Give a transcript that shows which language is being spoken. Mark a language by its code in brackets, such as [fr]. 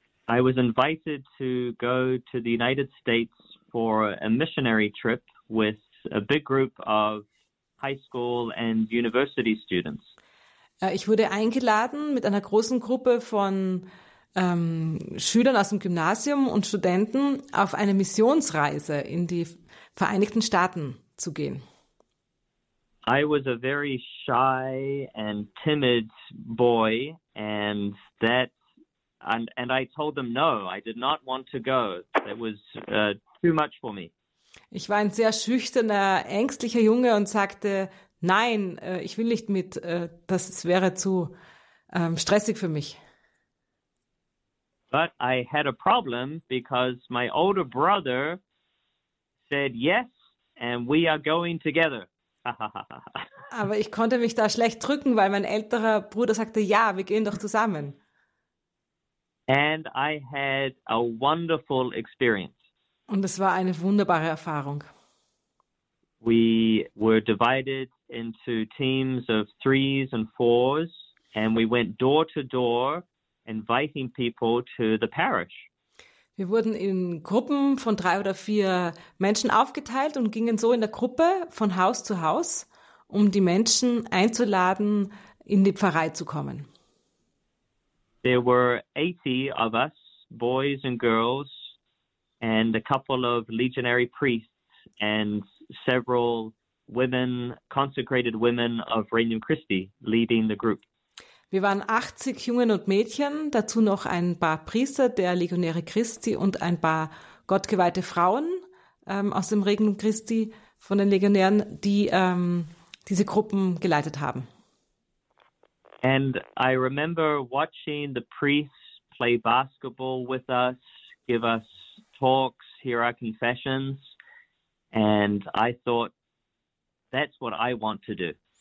[en] I was invited to go to the United States for a missionary trip with a big group of high school and university students. [de] Ich wurde eingeladen mit einer großen Gruppe von Schülern aus dem Gymnasium und Studenten auf eine Missionsreise in die Vereinigten Staaten zu gehen. [en] I was a very shy and timid boy and I told them no, I did not want to go. It was too much for me. [de] Ich war ein sehr schüchterner, ängstlicher Junge und sagte, nein, ich will nicht mit, das wäre zu stressig für mich. [en] But I had a problem because my older brother said yes and we are going together. [de] Aber ich konnte mich da schlecht drücken, weil mein älterer Bruder sagte, ja, wir gehen doch zusammen. [en] And I had a wonderful experience. [de] Und es war eine wunderbare Erfahrung. [en] We were divided into teams of threes and fours, and we went door to door inviting people to the parish. [de] Wir wurden in Gruppen von drei oder vier Menschen aufgeteilt und gingen so in der Gruppe von Haus zu Haus, um die Menschen einzuladen, in die Pfarrei zu kommen. [en] There were 80 of us, boys and girls, and a couple of legionary priests and several women, consecrated women of Regnum Christi, leading the group. [de] Wir waren 80 Jungen und Mädchen, dazu noch ein paar Priester der Legionäre Christi und ein paar gottgeweihte Frauen aus dem Regnum Christi von den Legionären, die diese Gruppen geleitet haben. [en] And I remember watching the priests play basketball with us, give us talks, hear our confessions, and I thought, that's what I want to do.